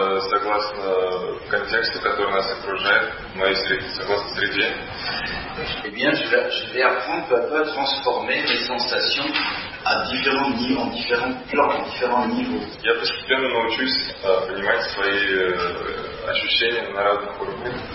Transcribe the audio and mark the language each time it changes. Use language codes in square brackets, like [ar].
[ru] согласно контексту, который нас окружает, моей среде, согласно среде, [fr] eh bien, je vais apprendre peu à peu à transformer mes sensations à différents niveaux, en différents plans, en différents niveaux. [ru] Я постепенно научусь понимать свои ощущения на разных уровнях.